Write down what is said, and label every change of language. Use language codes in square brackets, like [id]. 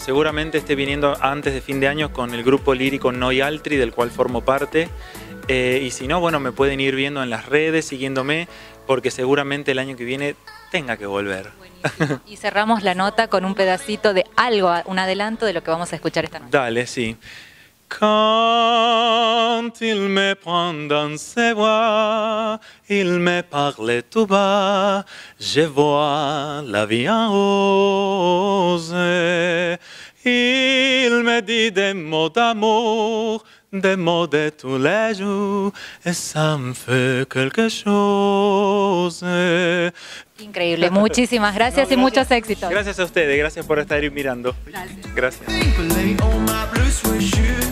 [es] Seguramente esté viniendo antes de fin de año con el grupo lírico Noi Altri, del cual formo parte. Y si no, bueno, me pueden ir viendo en las redes, siguiéndome, porque seguramente el año que viene tenga que volver. Y cerramos la nota con un pedacito de algo, un adelanto de lo que vamos a escuchar esta noche. Dale, sí. [fr] Quand il me prendant ses voix, il me parle tout bas, je vois la vie en rose. Il me dit des mots d'amour, des mots de tous les jours, et ça me fait quelque chose. [es] Increíble, muchísimas gracias, no, y muchos éxitos. Gracias a ustedes, gracias por estar mirando. Gracias. Gracias.